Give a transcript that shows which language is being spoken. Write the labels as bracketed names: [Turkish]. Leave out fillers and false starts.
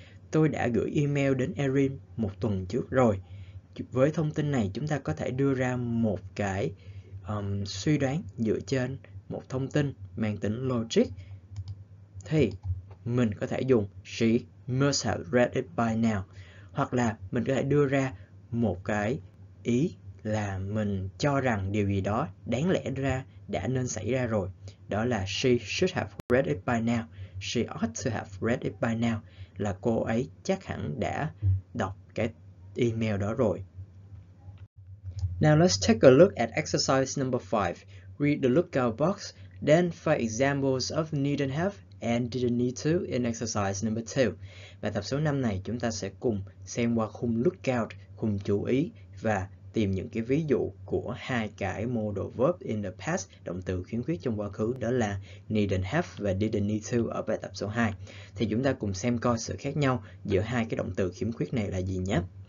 [Vietnamese] Tôi đã gửi email đến Erin một tuần trước rồi. Với thông tin này, chúng ta có thể đưa ra một cái suy đoán dựa trên một thông tin mang tính logic. Thì mình có thể dùng [English] she must have read it by now. [Vietnamese] Hoặc là mình có thể đưa ra một cái ý là mình cho rằng điều gì đó đáng lẽ ra đã nên xảy ra rồi. Đó là [English] she should have read it by now. She ought to have read it by now. [Vietnamese] Là cô ấy chắc hẳn đã đọc cái email đó rồi. [English] Now let's take a look at exercise number 5. Read the lookout box, then find examples of needn't have and didn't need to in exercise number 2. [Vietnamese] Bài tập số 5 này chúng ta sẽ cùng xem qua khung lookout, khung chú ý và tìm những cái ví dụ của hai cái [English] modal verb in the past, [Vietnamese] động từ khiếm khuyết trong quá khứ, đó là needn't have và didn't need to ở bài tập số 2. Thì chúng ta cùng xem coi sự khác nhau giữa hai cái động từ khiếm khuyết này là gì nhé.